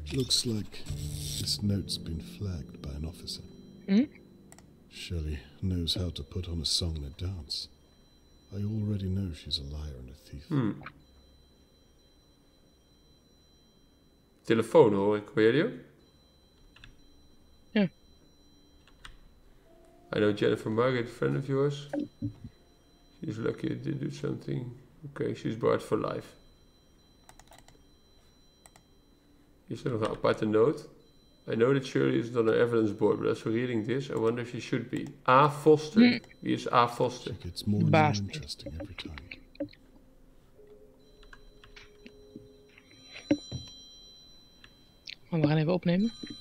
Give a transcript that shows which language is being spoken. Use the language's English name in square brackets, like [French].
[English] Looks like this note's been flagged by an officer. Shirley knows how to put on a song and a dance. I already know she's a liar and a thief. Hmm. [Dutch] Telefoon hoor ik, hoor jij die ook? Ja. [English] I know Jennifer Margaret, a friend of yours. She's lucky it did do something. Okay, she's barred for life. [Dutch] Is er nog een aparte noot? [English] I know that Shirley is on the evidence board, but as we're reading this, I wonder if she should be. [Dutch] A. Foster. Wie is A. Foster? [English] It gets more and more interesting every time. [Dutch] We gaan even opnemen.